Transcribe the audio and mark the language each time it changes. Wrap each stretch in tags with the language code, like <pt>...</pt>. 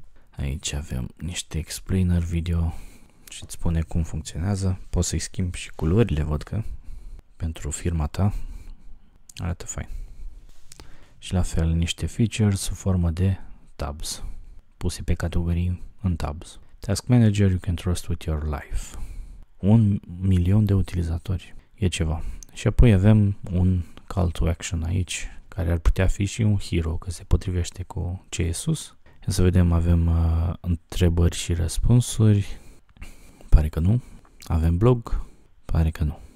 <ro>Aici avem niște explainer video și îți spune cum funcționează. Poți să-i schimbi și culorile, văd că, pentru firma ta. Arată fain. Și la fel, niște features sub formă de tabs, puse pe categorii în tabs.</ro> <en>Task Manager you can trust with your life.</en> <ro>1 milion de utilizatori. E ceva. Și apoi avem un call to action aici, care ar putea fi și un hero, că se potrivește cu ce e sus. Să vedem, avem întrebări și răspunsuri. Pare că nu. Avem blog. Pare că nu.</ro>